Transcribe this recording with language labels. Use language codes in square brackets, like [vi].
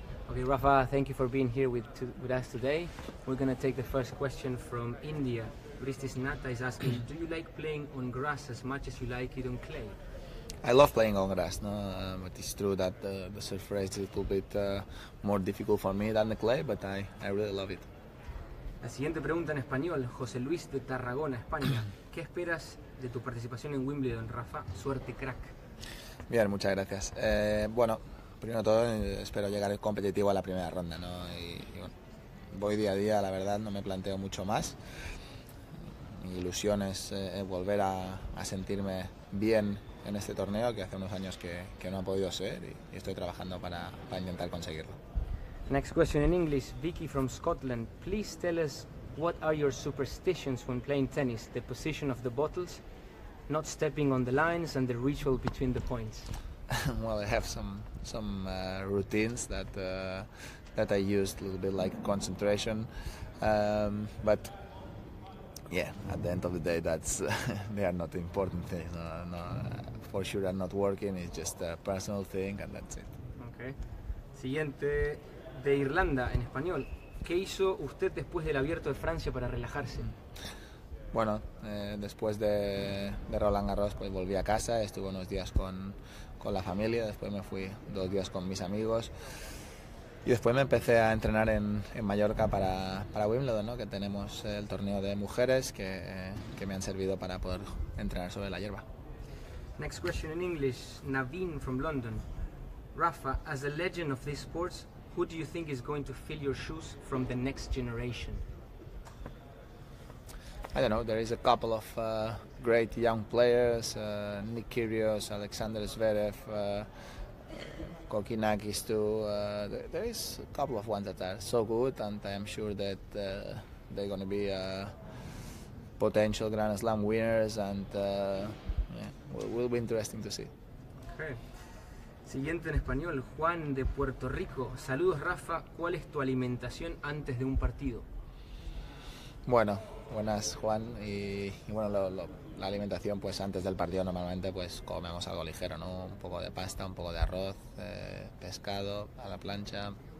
[en] Okay, Rafa, thank you for being here with us today. We're going to take the first question from India. Ristis Natta is asking, do you like playing on grass as much as you like it on clay? I love playing on grass, no? But it's true that the surface is a little bit more difficult for me than the clay, but I really love it. [es] La siguiente pregunta en español, José Luis de Tarragona, España. ¿Qué esperas de tu participación en Wimbledon, Rafa? Suerte, crack. Bien, muchas gracias. Bueno, primero todo, espero llegar competitivo a la primera ronda, ¿no? Y bueno, voy día a día, la verdad, no me planteo mucho más. Mi ilusión es volver a sentirme bien en este torneo, que hace unos años que no ha podido ser, y estoy trabajando para intentar conseguirlo. [en] Next question in English, Vicky from Scotland. Please tell us, what are your superstitions when playing tennis? The position of the bottles, not stepping on the lines, and the ritual between the points. Well, I have some routines that I used a little bit like concentration, but yeah, at the end of the day, that's they are not important things. For sure, are not working. It's just a personal thing, and that's it. [es] Okay. Siguiente. De Irlanda, en español. ¿Qué hizo usted después del Abierto de Francia para relajarse? Bueno, después de Roland Garros, pues volví a casa, estuve unos días con la familia, después me fui dos días con mis amigos y después me empecé a entrenar en Mallorca para Wimbledon, ¿no? Que tenemos el torneo de mujeres que me han servido para poder entrenar sobre la hierba. [en] Next question in English, Naveen from London. Rafa, as a legend of these sports, who do you think is going to fill your shoes from the next generation? I don't know. There is a couple of great young players. Nick Kyrgios, Alexander Zverev, Kokkinakis too. There is a couple of ones that are so good, and I'm sure that they're going to be potential Grand Slam winners, and will be interesting to see. [es] Okay. Siguiente en español, Juan de Puerto Rico. Saludos, Rafa. ¿Cuál es tu alimentación antes de un partido? Bueno, buenas, Juan. Y bueno, la alimentación, pues antes del partido normalmente pues comemos algo ligero, ¿no? Un poco de pasta, un poco de arroz, pescado a la plancha.